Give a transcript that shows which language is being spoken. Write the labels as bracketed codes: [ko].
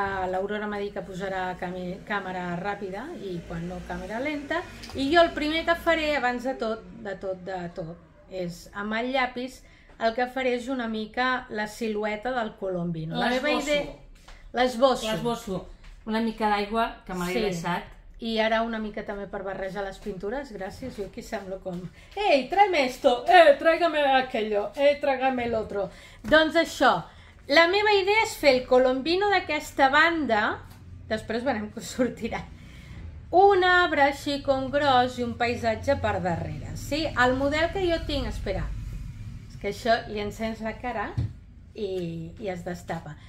[ca] L'Aurora m'ha dit que posarà càmera ràpida i quan no càmera lenta, i jo el primer que faré abans de tot, és amb el llapis, el que faré és una mica la silueta del colombino. L'esbosso. Una mica d'aigua, que me l'he deixat. I ara una mica també per barrejar les pintures, gràcies, jo aquí semblo com... [es] Ei, tráeme esto, tráigame aquello, tráigame el otro. [ca] Doncs això, la meva idea és fer el colombino d'aquesta banda, després veurem com sortirà, un arbre així com gros i un paisatge per darrere, sí? El model que jo tinc, espera, és que això li encens la cara i es destapa.